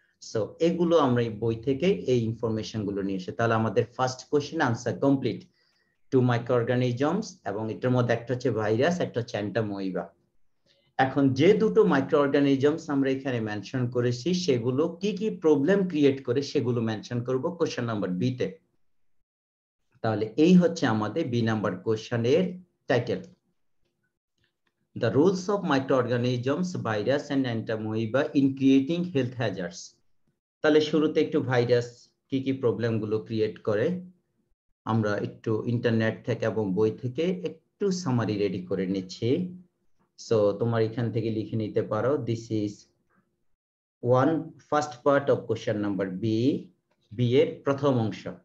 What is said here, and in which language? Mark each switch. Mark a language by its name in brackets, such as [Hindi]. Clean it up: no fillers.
[Bangla] So এগুলো আমরা এই বই থেকে এই ইনফরমেশন গুলো নিয়ে এসে, তাহলে আমাদের first question answer complete, two micro organisms এবং এটার মধ্যে একটা হচ্ছে ভাইরাস, একটা হচ্ছে অ্যান্টামোইবা। এখন যে দুটো মাইক্রো অর্গানিজমস আমরা এখানে মেনশন করেছি সেগুলো কি কি প্রবলেম ক্রিয়েট করে সেগুলো মেনশন করব কোশ্চেন নাম্বার বি তে। তাহলে এই হচ্ছে আমাদের বি নাম্বার কোশ্চেন এর title, [English] The rules of microorganisms, virus and entamoeba in creating health hazards. [Bangla] তাহলে শুরুতে একটু ভাইরাস কি কি প্রবলেম গুলো ক্রিয়েট করে আমরা একটু ইন্টারনেট থেকে এবং বই থেকে একটু সামারি রেডি করে নিচ্ছি। সো তোমার এখান থেকে লিখে নিতে পারো, [English] this is one first part of question number B, [Bangla] B এর প্রথম অংশ।